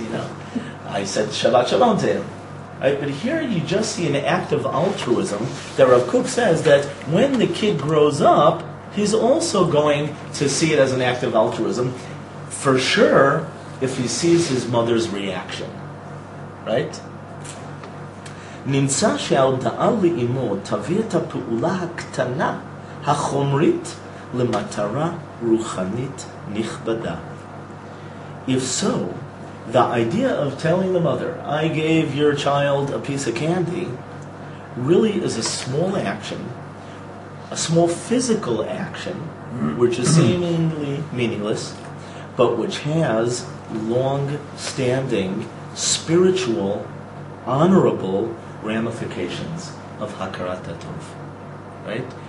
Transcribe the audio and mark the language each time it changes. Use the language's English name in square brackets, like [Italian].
[English] You know, I said Shabbat Shalom to him. Right? But here you just see an act of altruism that Rav Kook says that when the kid grows up, he's also going to see it as an act of altruism, for sure, if he sees his mother's reaction. Right? [Hebrew] נמצא שההודעה לאמו תביא את הפעולה הקטנה החומרית למטרה רוחנית נכבדה. [English] If so, the idea of telling the mother, I gave your child a piece of candy, really is a small action, a small physical action, which is seemingly meaningless, but which has long-standing, spiritual, honorable ramifications of Hakarat HaTov. Right?